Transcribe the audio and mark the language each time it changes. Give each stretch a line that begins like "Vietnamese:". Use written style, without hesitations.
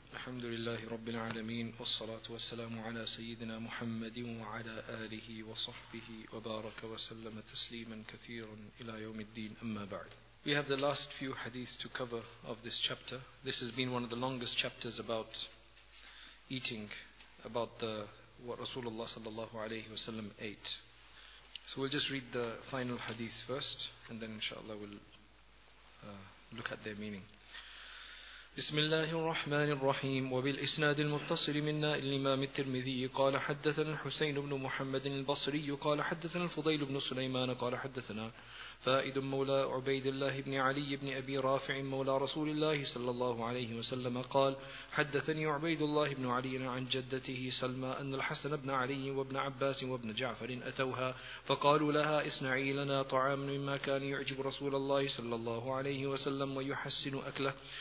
Arabic: الحمد لله رب العالمين والصلاة والسلام على سيدنا محمد وعلى آله وصحبه وبارك وسلم تسليما كثيرا إلى يوم الدين أما بعد.
English: We have the last few hadith to cover of this chapter. This has been one of the longest chapters about eating, about the what Rasulullah sallallahu alayhi wa sallam ate. So we'll just read the final hadith first and then inshallah we'll look at their meaning.
Arabic: بسم الله الرحمن الرحيم وبالإسناد المتصل منا الإمام الترمذي قال حدثنا الحسين بن محمد البصري قال حدثنا الفضيل بن سليمان قال حدثنا فائد مولى عبيد الله بن علي بن أبي رافع مولى رسول الله صلى الله عليه وسلم قال حدثني عبيد الله بن علي عن جدته سلمى أن الحسن بن علي وابن عباس وابن جعفر أتوها فقالوا لها اصنعي لنا طعام مما كان يعجب رسول الله صلى الله عليه وسلم ويحسن أكله